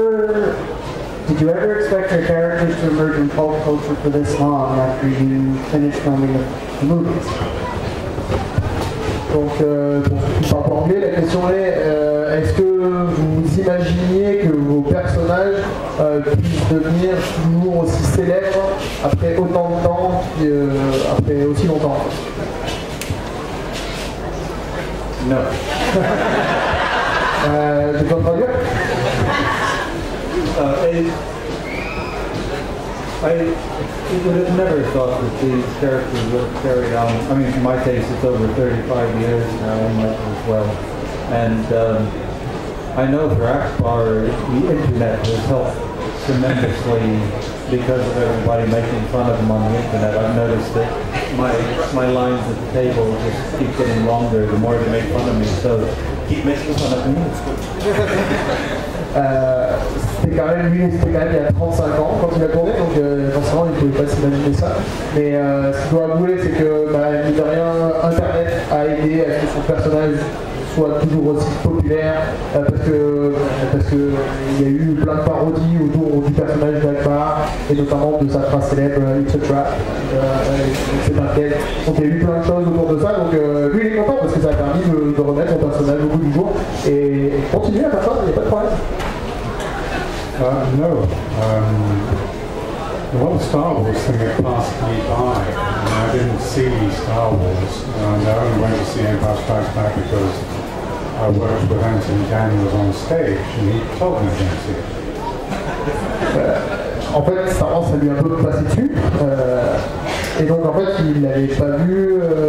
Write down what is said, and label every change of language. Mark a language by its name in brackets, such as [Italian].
[English] Did you ever expect your characters to emerge in pulp culture for this long after you finished filming the movies? [French] Donc, pour ce qui la question est-ce que vous imaginiez que vos personnages puissent devenir toujours aussi célèbres après autant de temps, puis après aussi longtemps? Non. Je peux traduire? [English] I would have never thought that these characters would carry on. I mean, in my case, it's over 35 years now in life as well. And I know for Akbar, the internet has helped tremendously because of everybody making fun of him on the internet. I've noticed that my lines at the table just keep getting longer the more they make fun of me. So keep making fun of me. [French] C'était quand même il y a 35 ans quand il a tourné, donc forcément il ne pouvait pas s'imaginer ça. Mais ce qu'il doit avouer, c'est que, mine de rien, Internet a aidé à ce que son personnage soit toujours aussi populaire, parce que il y a eu plein de parodies autour du personnage d'Akbar, et notamment de sa phrase célèbre, [English] It's a Trap, [French] c'est un piège. Donc il y a eu plein de choses autour de ça, donc lui il est content parce que ça a permis de remettre son personnage au goût du jour, et continuer à faire ça, il n'y a pas de problème. [English] No. The whole Star Wars thing had passed me by. And I didn't see Star Wars. And I only went to see Empire Strikes Back because I worked with Anthony Daniels on stage and he told me to see it. [French] En fait, Star Wars a lui un peu passé dessus. Et donc en fait, il l'avait pas vu.